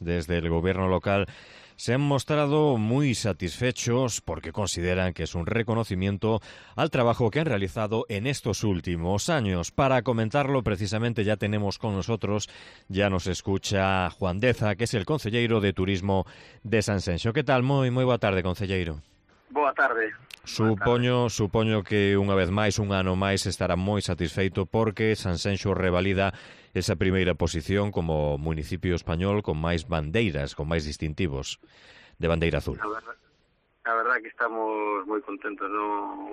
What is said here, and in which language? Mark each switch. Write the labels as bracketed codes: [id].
[es] Desde el gobierno local se han mostrado muy satisfechos porque consideran que es un reconocimiento al trabajo que han realizado en estos últimos años. Para comentarlo, precisamente ya tenemos con nosotros, ya nos escucha Juan Deza, que es el concelleiro de Turismo de Sanxenxo. ¿Qué tal? Muy boa tarde, concelleiro. [gl] Boa tarde. Supoño que unha vez máis, un ano máis, estará moi satisfeito porque Sanxenxo revalida esa primeira posición como municipio español con máis bandeiras, con máis distintivos de bandeira azul. A verdad que estamos moi contentos, ¿no?